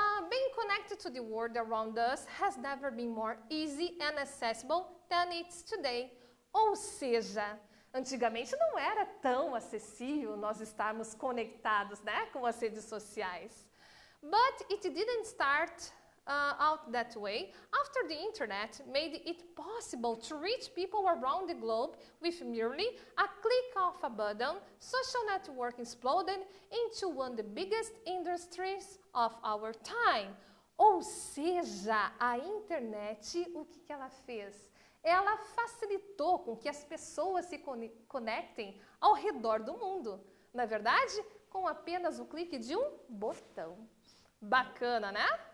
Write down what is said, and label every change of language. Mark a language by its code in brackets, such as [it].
[en] Being connected to the world around us has never been more easy and accessible than it's today. [pt] Ou seja, antigamente não era tão acessível nós estarmos conectados, né, com as redes sociais. [en] But it didn't start out that way. After the internet made it possible to reach people around the globe with merely a click of a button, social networking exploded into one of the biggest industries of our time. [pt] Ou seja, a internet, o que ela fez? Ela facilitou com que as pessoas se conectem ao redor do mundo. Na verdade, com apenas o clique de um botão. Bacana, né?